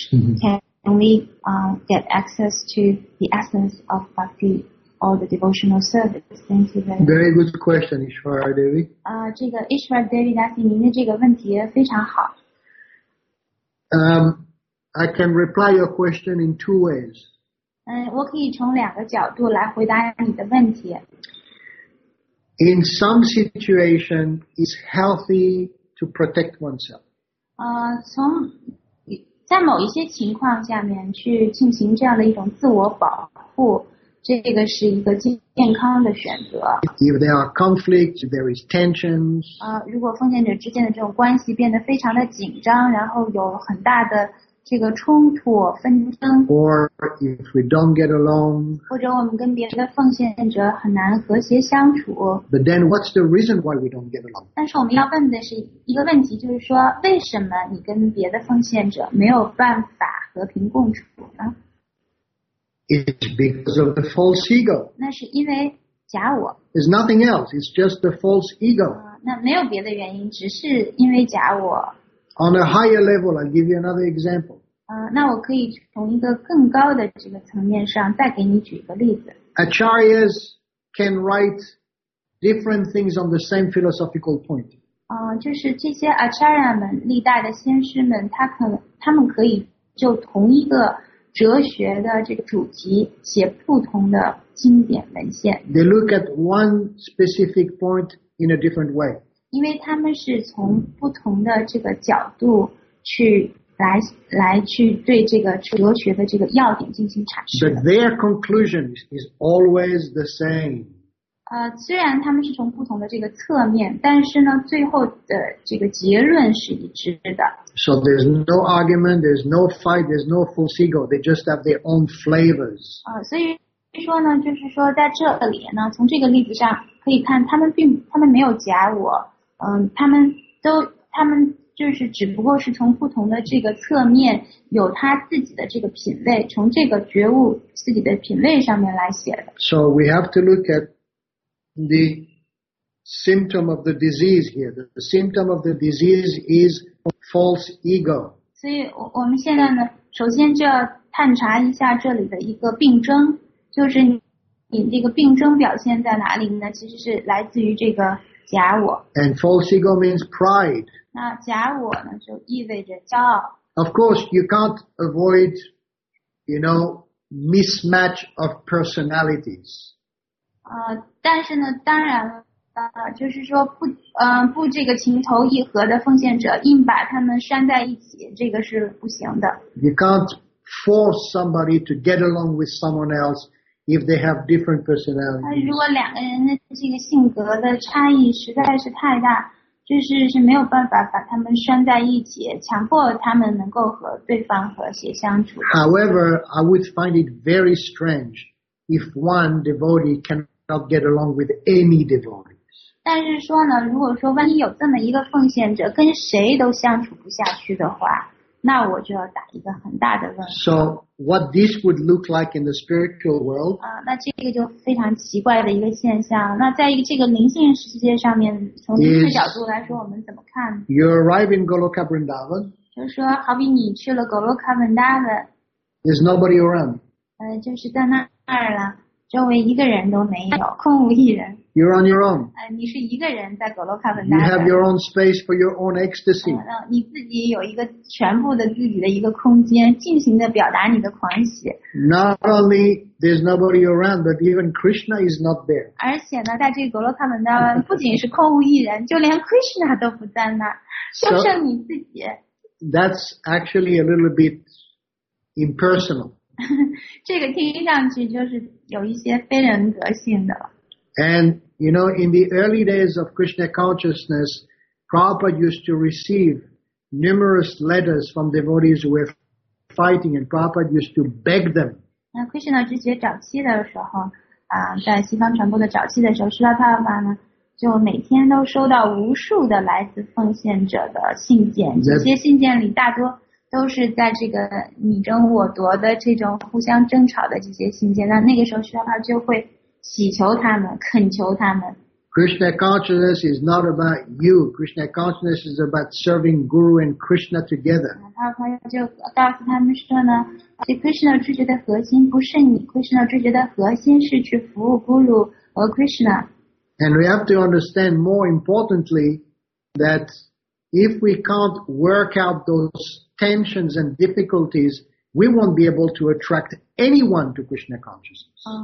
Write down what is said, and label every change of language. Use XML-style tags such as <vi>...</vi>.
<en>Can we get access to the essence of bhakti or the devotional service? Thank you very much. Very good question, Ishvara Devi.</en> <zh>这个 Ishvara Devi Dasi, 您的这个问题非常好。</zh> <en>I can reply your question in two ways.</en> <zh>我可以从两个角度来回答你的问题。</zh> <en>In some situation, it's healthy... to protect oneself.</en> <zh>从在某一些情况下面去进行这样的一种自我保护，这个是一个健康的选择。</zh> <en>If there are conflicts, there is tensions.</en> <zh>如果奉献者之间的这种关系变得非常的紧张，然后有很大的这个冲突纷争。</zh> <en>Or if we don't get along.</en> <zh>或者我们跟别的奉献者很难和谐相处。</zh> <en>But then what's the reason why we don't get along?</en> <zh>但是我们要问的是一个问题，就是说为什么你跟别的奉献者没有办法和平共处呢？</zh> <en>It's because of the false ego.</en> <zh>那是因为假我。</zh> <en>It's nothing else, it's just the false ego.</en> <zh>那没有别的原因，只是因为假我。</zh> <en>On a higher level, I'll give you another example.</en> <zh>那我可以从一个更高的这个层面上再给你举个例子。</zh> <en>Acharyas can write different things on the same philosophical point.</en> <zh>就是这些 Acharya 们，历代的先师们，他们可以就同一个哲学的这个主题写不同的经典文献。</zh> <en>They look at one specific point in a different way.</en> <zh>因为他们是从不同的这个角度去来去对这个哲学的这个要点进行阐释。</zh> <en>But their conclusion is always the same.</en> <zh>虽然他们是从不同的这个侧面，但是呢，最后的这个结论是一致的。</zh> <en>So there's no argument, there's no fight, there's no false ego. They just have their own flavors.</en> <zh>所以说呢，就是说在这里呢，从这个例子上可以看，他们没有假我，他们就是只不过是从不同的这个侧面，有他自己的这个品味，从这个觉悟自己的品味上面来写的。</zh> <en>So we have to look at the symptom of the disease here. The symptom of the disease is false ego.</en> <zh>所以我们现在呢，首先就要探查一下这里的一个病症，就是你这个病症表现在哪里呢？其实是来自于这个假我。</zh> <en>And false ego means pride.</en> <zh>那假我呢，就意味着骄傲。</zh> <en>Of course, you can't avoid, you know, mismatch of personalities.</en> <zh>但是呢，当然了。就是说不这个情投意合的奉献者硬把他们拴在一起，这个是不行的。</zh> <en>You can't force somebody to get along with someone else if they have different personalities.</en> <zh>如果两个人的这个性格的差异实在是太大，就是没有办法把他们拴在一起，强迫他们能够和对方和谐相处。</zh> <en>However, I would find it very strange if one devotee cannot get along with any devotee.</en> <zh>但是说呢，如果说万一有这么一个奉献者跟谁都相处不下去的话，那我就要打一个很大的问号。</zh> <en>So what this would look like in the spiritual world?</en> <zh>那这个就非常奇怪的一个现象。那在一个这个灵性世界上面，从灵性角度来说，我们怎么看</zh> <en>？You arrive in Goloka Vrindavan.</en> <zh>就是说，好比你去了 Goloka Vrindavan.</zh> <en>There's nobody around.</en> <zh>就是在那儿了。周围一个人都没有，空无一人。</zh> <en>You're on your own.</en> <zh>你是一个人在格罗卡文达。</zh> <en>You have your own space for your own ecstasy.</en> <zh>你自己有一个全部的自己的一个空间，尽情的表达你的狂喜。</zh> <en>Not only there's nobody around, but even Krishna is not there.</en> <zh>而且呢，在这个格罗卡文达不仅是空无一人，就连 Krishna 都不在那，就剩你自己。</zh> <en>That's actually a little bit impersonal.</en> <zh>这个听上去就是。有一些非人格性的。</zh> <en>And you know, in the early days of Krishna consciousness, Prabhupada used to receive numerous letters from devotees who were fighting, and Prabhupada used to beg them.</en> <zh>那 Krishna 之前早期的时候，在西方传播的早期的时候，释迦牟尼呢，就每天都收到无数的来自奉献者的信件。这些信件里大多。都是在这个你争我夺的这种互相争吵的这些信件，那个时候释迦牟尼就会祈求他们，恳求他们。</zh> <en>Krishna consciousness is not about you. Krishna consciousness is about serving Guru and Krishna together.</en> <zh>他就告诉他们说呢，这 Krishna 知觉的核心不是你 ，Krishna 知觉的核心是去服务 Guru 和 Krishna。</zh> <en>And we have to understand more importantly that if we can't work out thosetensions and difficulties, we won't be able to attract anyone to Krishna consciousness.</en>